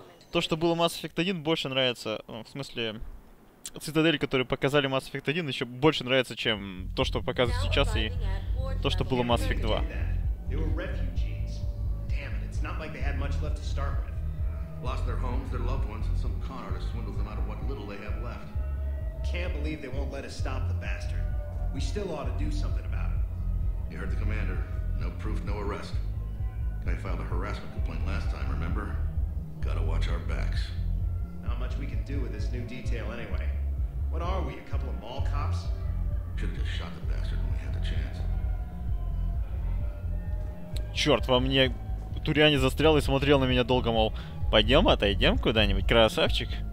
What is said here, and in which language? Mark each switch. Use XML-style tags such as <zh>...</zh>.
<ru>то, что было Mass Effect 1, больше нравится. Ну, в смысле, цитадель, которую показали Mass Effect 1, еще больше нравится, чем то, что показывают сейчас, и то, что было Mass Effect 2.</ru> <en>They were refugees. Damn it, it's not like they had much left to start with. Lost their homes, their loved ones, and some con artist swindles them out of what little they have left. Can't believe they won't let us stop the bastard. We still ought to do something about it. You heard the commander. No proof, no arrest. Guy filed a harassment complaint last time, remember? Gotta watch our backs. Not much we can do with this new detail anyway. What are we, a couple of mall cops? Should've just shot the bastard when we had the chance.</en> <ru>Черт, во мне Туриани застрял и смотрел на меня долго, мол, пойдем отойдем куда-нибудь, красавчик.</ru>